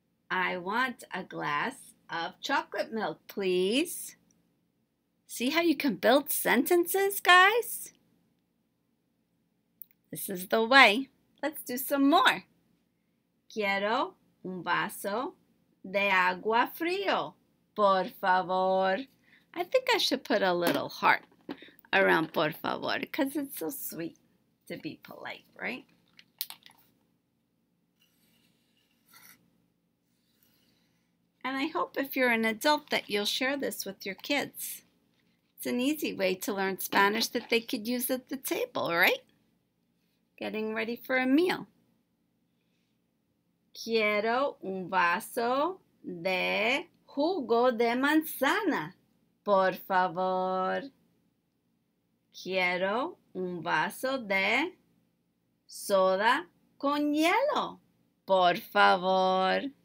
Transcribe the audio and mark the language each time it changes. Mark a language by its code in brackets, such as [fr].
[en] I want a glass of chocolate milk, please. See how you can build sentences, guys? This is the way. Let's do some more. [es] Quiero un vaso de agua frío, por favor. [en] I think I should put a little heart around por favor because it's so sweet to be polite, right? And I hope if you're an adult that you'll share this with your kids. It's an easy way to learn Spanish that they could use at the table, right? Getting ready for a meal. [es] Quiero un vaso de jugo de manzana, por favor. Quiero un vaso de soda con hielo, por favor.